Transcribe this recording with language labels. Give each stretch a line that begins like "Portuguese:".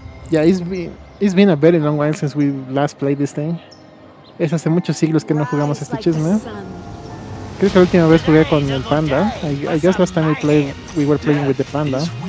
English: Yeah, it's been a very long while since we last played this thing.
Spanish: Es hace muchos siglos que no jugamos este chisme. Creo que la última vez jugué con el panda.
English: I guess last time we were playing with the panda.